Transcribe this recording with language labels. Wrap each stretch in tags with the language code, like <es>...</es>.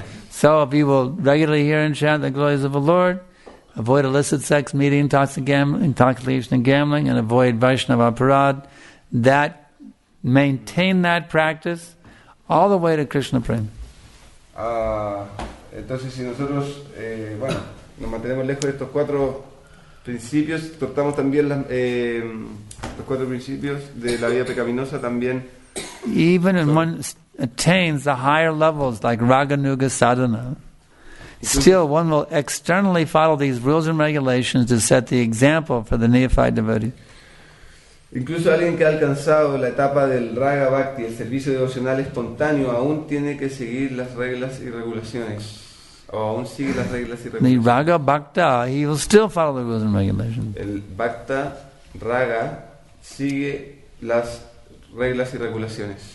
<en>So if you will regularly hear and chant the glories of the Lord, avoid illicit sex, meeting, intoxication and gambling, and avoid Vaishnava Parad. That, maintain that practice all the way to Krishna Prem.</en> <es>Entonces, si nosotros, nos mantenemos lejos de estos cuatro principios, tratamos también los cuatro principios de la vida pecaminosa también.</es> <en>Even if one attains the higher levels like Raganuga Sadhana, still one will externally follow these rules and regulations to set the example for the neophyte devotee.</en> <es>Incluso alguien que ha alcanzado la etapa del Raga Bhakti, el servicio devocional espontáneo, aún tiene que seguir las reglas y regulaciones. O aún sigue las reglas y regulaciones.</es> <en>The Raga Bhakta, he will still follow the rules and regulations.</en> <es>El Bhakta Raga sigue las reglas y regulaciones.</es>